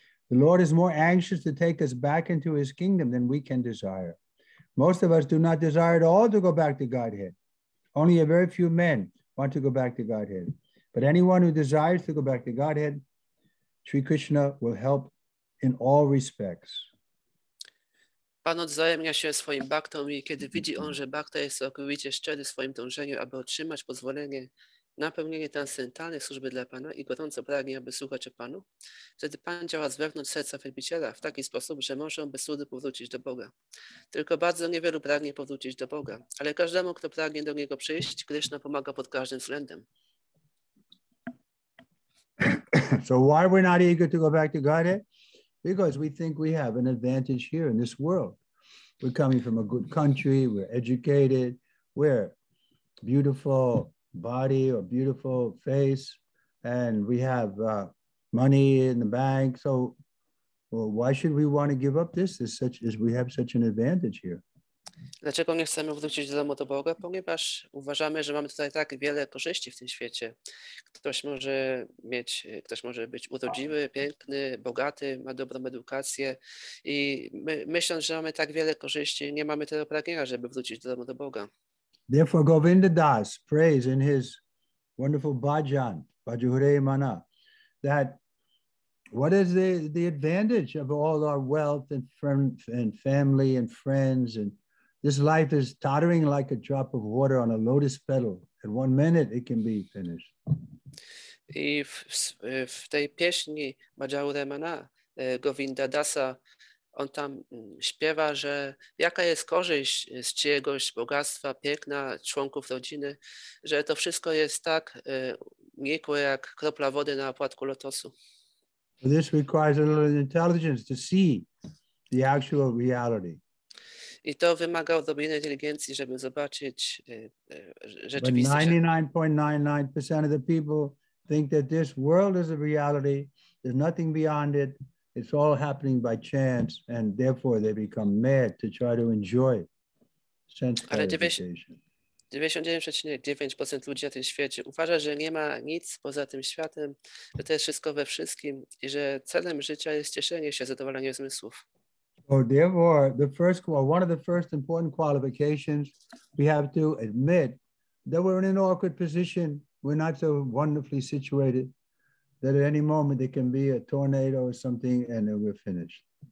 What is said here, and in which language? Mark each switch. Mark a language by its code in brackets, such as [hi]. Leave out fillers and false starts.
[en] The Lord is more anxious to take us back into his kingdom than we can desire. Most of us do not desire at all to go back to Godhead. Only a very few men want to go back to Godhead. But anyone who desires to go back to Godhead, Sri Krishna will help in all respects. [pl] Pan odwzajemnia się swoim bhaktom i kiedy widzi on, że bhakta jest całkowicie szczery w swoim dążeniu, aby otrzymać pozwolenie napełnienie transcendentalnej służby dla Pana i gorąco pragnie, aby słuchać o Panu, wtedy Pan działa z wewnątrz serca wielbiciela w taki sposób, że może on bez trudu powrócić do Boga. Tylko bardzo niewielu pragnie powrócić do Boga, ale każdemu, kto pragnie do Niego przyjść, Krishna pomaga pod każdym względem. [en] So why we're not eager to go back to Godhead? Because we think we have an advantage here in this world. We're coming from a good country, we're educated, we're beautiful body or beautiful face, and we have money in the bank. So, well, why should we want to give up this? We have such an advantage here. [pl] Dlaczego nie chcemy wrócić do domu do Boga? Ponieważ uważamy, że mamy tutaj tak wiele korzyści w tym świecie. Ktoś może być urodziwy, piękny, bogaty, ma dobrą edukację i myśląc, że mamy tak wiele korzyści, nie mamy tego pragnienia, żeby wrócić do domu do Boga. [en] Therefore, Govinda Das prays in his wonderful bhajan, Bhajure Mana, that what is the advantage of all our wealth and family and friends? And this life is tottering like a drop of water on a lotus petal. At 1 minute, it can be finished. [pl] I w tej pieśni Bhajure Mana, Govinda Dasa, on tam śpiewa, że jaka jest korzyść z czyjegoś bogactwa, piękna, członków rodziny, że to wszystko jest tak nikłe jak kropla wody na płatku lotosu. [en] This requires a little intelligence to see the actual reality. [pl] I to wymaga odrobiny inteligencji, żeby zobaczyć rzeczywistość. [en] 99.99% of the people think that this world is a reality. There's nothing beyond it. It's all happening by chance, and therefore they become mad to try to enjoy sense gratification. [pl] 99.9% ludzi na tym świecie uważa, że nie ma nic poza tym światem, że to jest wszystko we wszystkim i że celem życia jest cieszenie się, zadowolenie zmysłów. [en] Oh, therefore, the first, one of the first important qualifications, we have to admit that we're in an awkward position. We're not so wonderfully situated that at any moment there can be a tornado or something and then we're finished.